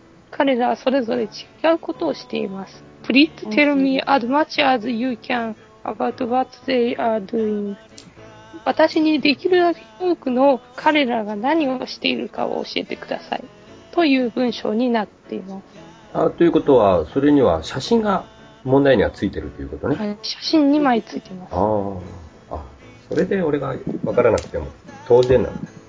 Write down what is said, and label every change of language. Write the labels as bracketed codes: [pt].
[ja] 彼らはそれぞれ違うことをしています。 [en] Please tell me as much as you can about what they are doing. [ja] 私にできるだけ多くの彼らが何をしているかを教えてください。という文章になっています。あ、ということは、それには写真が問題にはついてるということね。写真2枚ついてます。ああ、それで俺が分からなくても当然なんだ。